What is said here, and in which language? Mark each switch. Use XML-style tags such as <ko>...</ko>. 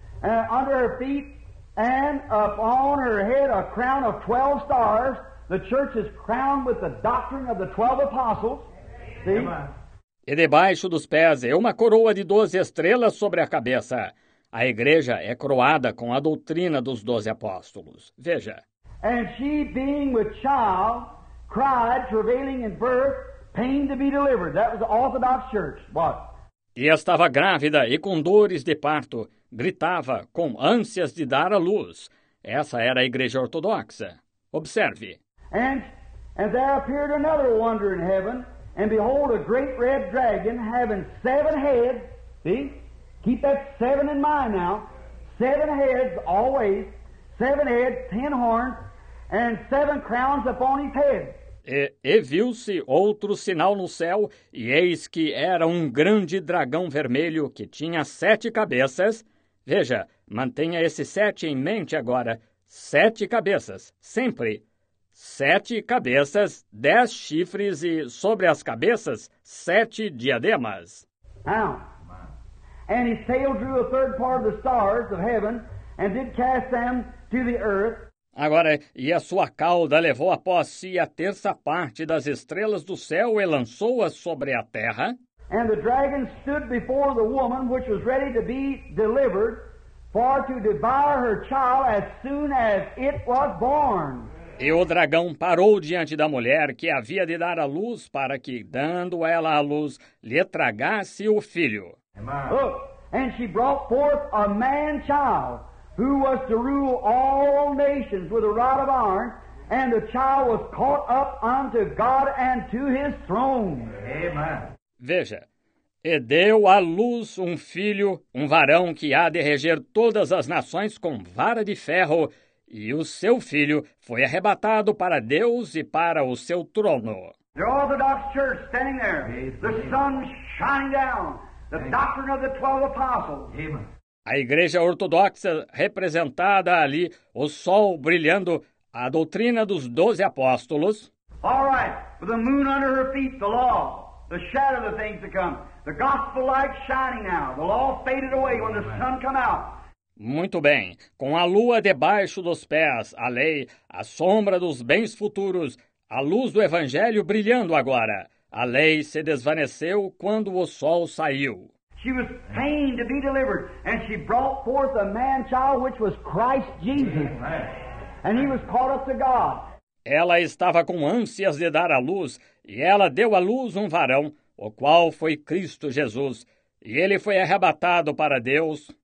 <en>Under her feet and upon her head a crown of 12 stars. The church is crowned with the doctrine of the 12 apostles. See?</en> <pt>E debaixo dos pés é uma coroa de 12 estrelas sobre a cabeça. A igreja é coroada com a doutrina dos 12 apóstolos. Veja.</pt> <en>And she being with child cried travailing in birth. Pain to be delivered. That was the Orthodox Church. What?</en> <pt>E estava grávida e com dores de parto, gritava com ânsias de dar à luz. Essa era a igreja ortodoxa. Observe.</pt> <en>And there appeared another wonder in heaven, and behold, a great red dragon having 7 heads. See? Keep that 7 in mind now. 7 heads always. 7 heads, 10 horns, and 7 crowns upon his head.</en> <pt>E viu-se outro sinal no céu, e eis que era um grande dragão vermelho que tinha 7 cabeças. Veja, mantenha esse 7 em mente agora. 7 cabeças, sempre. 7 cabeças, 10 chifres e, sobre as cabeças, 7 diademas.</pt> <en>Now, and his tail drew a third part of the stars of heaven and did cast them to the earth.</en> <pt>Agora, e a sua cauda levou após si a terça parte das estrelas do céu e lançou-as sobre a terra.</pt> <en>And the dragon stood before the woman, which was ready to be delivered, for to devour her child as soon as it was born.</en> <pt>E o dragão parou diante da mulher que havia de dar à luz para que, dando ela à luz, lhe tragasse o filho.</pt> <en>Look, and she brought forth a man-child. Who was to rule all nations with a rod of iron, and the child was caught up unto God and to his throne. Amen.</en> <pt>Veja, e deu à luz um filho, um varão que há de reger todas as nações com vara de ferro, E o seu filho foi arrebatado para Deus e para o seu trono.</pt> <en>The Orthodox Church standing there. The sun shining down. The doctrine of the 12 apostles.</en> <pt>A Igreja Ortodoxa representada ali, o sol brilhando, a doutrina dos 12 apóstolos.</pt> <en>All right, with the moon under her feet, the law, the shadow of the things to come, the gospel light shining now, the law faded away when the sun come out.</en> <pt>Muito bem, com a lua debaixo dos pés, a lei, a sombra dos bens futuros, a luz do evangelho brilhando agora. A lei se desvaneceu quando o sol saiu.</pt> <en>She was pained to be delivered, and she brought forth a man-child, which was Christ Jesus, and he was called up to God.</en> <pt>Ela estava com ânsias de dar à luz, e ela deu à luz um varão, o qual foi Cristo Jesus, e ele foi arrebatado para Deus.</pt>